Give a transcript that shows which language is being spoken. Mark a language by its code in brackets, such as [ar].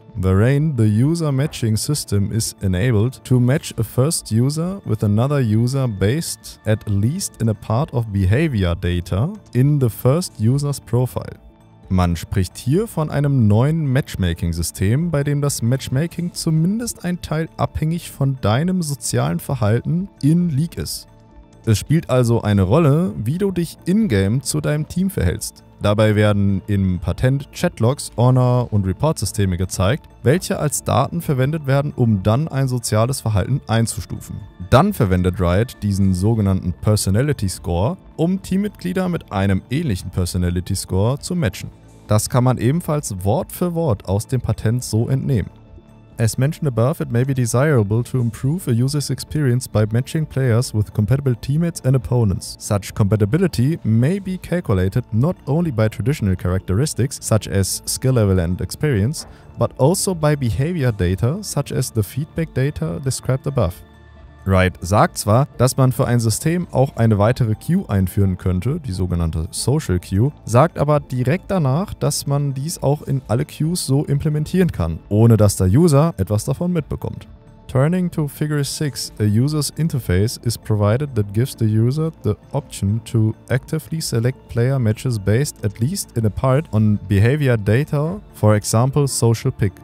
[en] Therein, the user matching system is enabled to match a first user with another user based at least in a part of behavior data in the first user's profile. [de] Man spricht hier von einem neuen Matchmaking-System, bei dem das Matchmaking zumindest ein Teil abhängig von deinem sozialen Verhalten in League ist. Es spielt also eine Rolle, wie du dich in-game zu deinem Team verhältst. Dabei werden im Patent Chatlogs, Honor- und Report-Systeme gezeigt, welche als Daten verwendet werden, um dann ein soziales Verhalten einzustufen. Dann verwendet Riot diesen sogenannten Personality Score, um Teammitglieder mit einem ähnlichen Personality Score zu matchen. Das kann man ebenfalls Wort für Wort aus dem Patent so entnehmen. [en] As mentioned above, it may be desirable to improve a user's experience by matching players with compatible teammates and opponents. Such compatibility may be calculated not only by traditional characteristics, such as skill level and experience, but also by behavior data, such as the feedback data described above. [de] Wright sagt zwar, dass man für ein System auch eine weitere Queue einführen könnte, die sogenannte Social Queue, sagt aber direkt danach, dass man dies auch in alle Queues so implementieren kann, ohne dass der User etwas davon mitbekommt. [en] Turning to Figure 6, a user's interface is provided that gives the user the option to actively select player matches based at least in a part on behavior data, for example social pick.